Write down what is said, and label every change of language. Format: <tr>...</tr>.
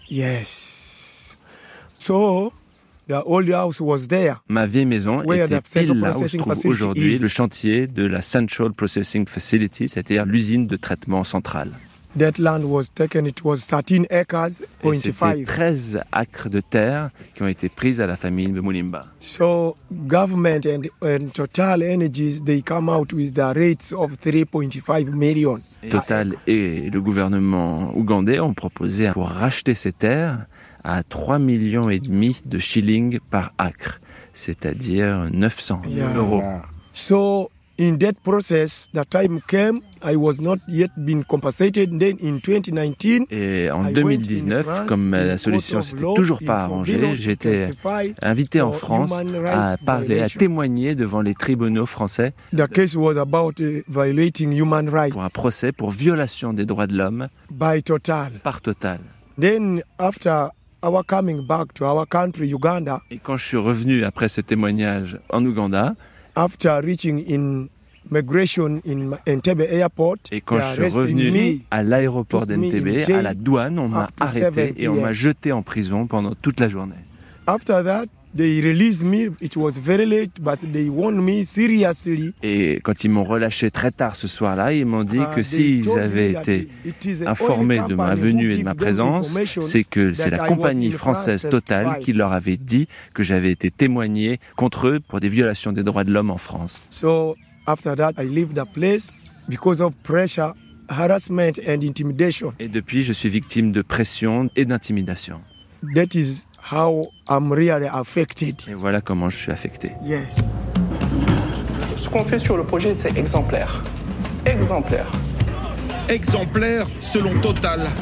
<en>Yes. So the old house was there.</en> <fr>Ma vieille maison était pile là où se trouve aujourd'hui le chantier de la Central Processing Facility, c'est-à-dire l'usine de traitement centrale.</fr> <en>That land was taken, it was 13 acres, 0.5.</en> <fr>13 acres de terre qui ont été prises à la famille Mulimba.</fr> <en>So government and Total Energies, they come out with the rates of 3.5 million.</en> <fr>Total et le gouvernement ougandais ont proposé pour racheter ces terres à 3,5 millions de shillings par acre, c'est-à-dire 900 euros.</fr> <en>Yeah. So, in that process, the time came, I was not yet been compensated. Then in 2019,</en> <fr>et en 2019, France, comme la solution ne s'était toujours pas arrangée, j'étais invité en France à parler, à témoigner devant les tribunaux français.</fr> <en>The case was about violating human rights.</en> <fr>Pour un procès pour violation des droits de l'homme</fr> <en>by Total.</en> <fr>Par Total.</fr> <en>Then after our coming back to our country, Uganda.</en> <fr>Et quand je suis revenu après ce témoignage en Ouganda,</fr> <en>after reaching in migration in Entebbe Airport,</en> <fr>et quand je suis revenu à l'aéroport d'Entebbe, à la douane, on m'a arrêté et on m'a jeté en prison pendant toute la journée.</fr> <en>After that, they released me. It was very late, but they warned me seriously.</en> <fr>Et quand ils m'ont relâché très tard ce soir-là, ils m'ont dit que s'ils avaient été informés de ma venue et de ma présence, c'est que c'est la compagnie française Total qui leur avait dit que j'avais été témoigné contre eux pour des violations des droits de l'homme en France.</fr> <en>So after that, I leave the place because of pressure, harassment, and intimidation.</en> <fr>Et depuis, je suis victime de pression et d'intimidation.</fr> <en>That is how I'm really affected.</en> <fr>Et voilà comment je suis affecté.</fr> <en>Yes.</en> <fr>Ce qu'on fait sur le projet, c'est exemplaire. Exemplaire. Exemplaire selon Total.</fr>